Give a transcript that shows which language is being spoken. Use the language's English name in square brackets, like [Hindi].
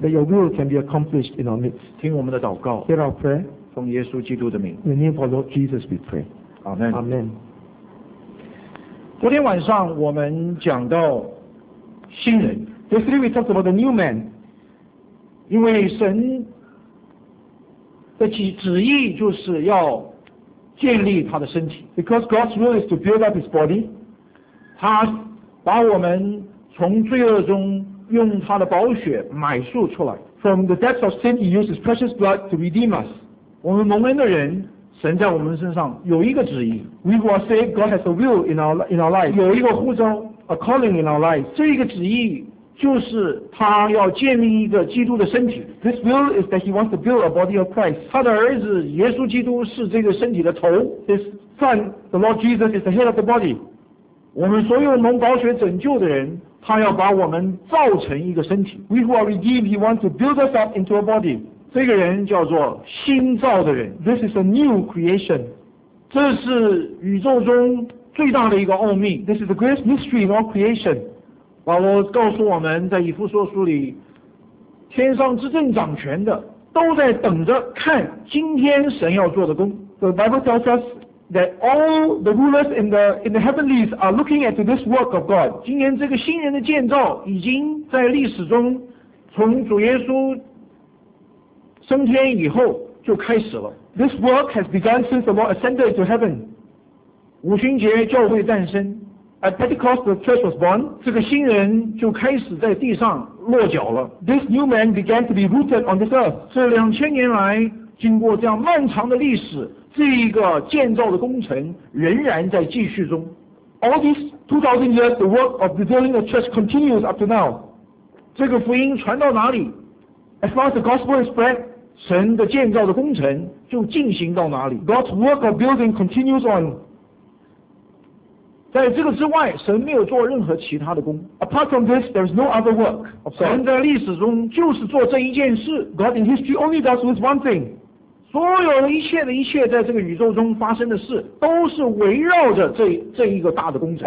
[English] That your will can be accomplished in our midst. [Chinese] 听我们的祷告。 [English] Hear our prayer. [Chinese] 奉耶稣基督的名。 [English] In the name of our Lord Jesus we pray. Amen. Amen. [Chinese] 昨天晚上我们讲到新人。 [English] Yesterday we talked about the new man. [Chinese] 因为神的旨意就是要建立他的身体。 [English] Because God's will is to build up his body. [Chinese] 他把我们从罪恶中用他的宝血买赎出来。 [English] From the depths of sin, he used his precious blood to redeem us. [Chinese] 我们蒙恩的人，神在我们身上有一个旨意。 [English] We were saved, God has a will in our life. [Chinese] 有一个呼召， [English] a calling in our life. [Chinese] 这个旨意就是他要建立一个基督的身体。 [English] This will is that he wants to build a body of Christ. [Chinese] 他的儿子耶稣基督是这个身体的头。 [English] His son, the Lord Jesus, is the head of the body. [Chinese] 我们所有蒙宝血拯救的人，他要把我们造成一个身体。 [English] We who are redeemed, he wants to build us up into a body. [Chinese] 这个人叫做新造的人。 [English] This is a new creation. [Chinese] 这是宇宙中最大的一个奥秘。 [English] This is the greatest mystery in all creation. [Chinese] 保罗告诉我们，在以弗所书里，天上执政掌权的都在等着看今天神要做的工。 [English] The Bible tells us that all the rulers in the heavenlies are looking at this work of God. [Chinese] 今天这个新人的建造已经在历史中从主耶稣升天以后就开始了。 [English] This work has begun since the Lord ascended to heaven. [Chinese] 五旬节教会诞生。 [English] At Pentecost the church was born. [Chinese] 这个新人就开始在地上落脚了。 [English] This new man began to be rooted on this earth. [Chinese] 这两千年来经过这样漫长的历史，这一个建造的工程仍然在继续中。 [English] All these 2000 years, the work of rebuilding the church continues up to now. [Chinese] 这个福音传到哪里？ [English] As far as the gospel is spread, [Chinese] 神的建造的工程就进行到哪里。 [English] God's work of building continues on. [Chinese] 在这个之外，神没有做任何其他的工。 [English] Apart from this, there is no other work. [Chinese] 神在历史中就是做这一件事。 [English] God in history only does this one thing. [Chinese] 所有的一切的一切在这个宇宙中发生的事都是围绕着这一个大的工程。